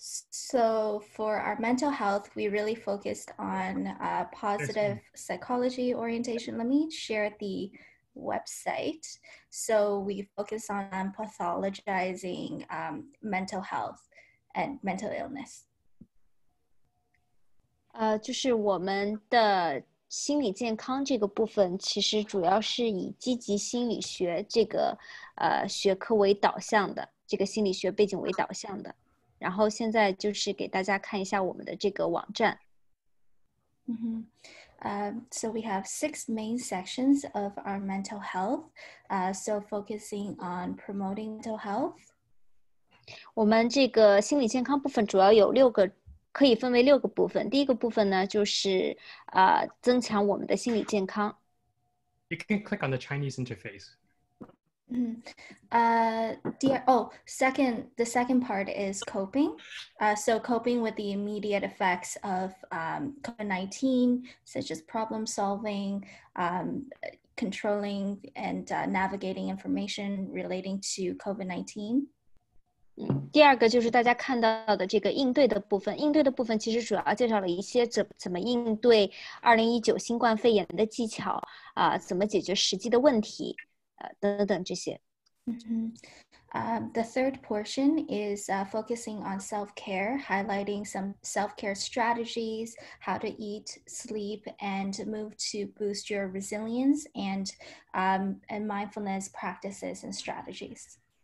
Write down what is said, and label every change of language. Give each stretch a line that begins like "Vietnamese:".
English: So for our mental health, we really focused on positive psychology orientation. Let me share the website. So we focus on pathologizing mental health and mental illness.
Chinese: 就是我们的心理健康这个部分其实主要是以积极心理学这个学科为导向的，这个心理学背景为导向的。然后现在就是给大家看一下我们的这个网站。
English: So we have six main sections of our mental health. So focusing on promoting mental health.
Chinese: 我们这个心理健康部分主要有六个，可以分为六个部分。第一个部分呢，就是增强我们的心理健康。
English: You can click on the Chinese interface. The second part is coping. So coping with the immediate effects of COVID-19, such as problem solving, controlling and navigating information relating to COVID-19.
Chinese: 第二个就是大家看到的这个应对的部分，应对的部分其实主要介绍了一些怎么应对2019新冠肺炎的技巧，怎么解决实际的问题。
English: The third portion is focusing on self-care, highlighting some self-care strategies, how to eat, sleep, and move to boost your resilience and mindfulness practices and strategies.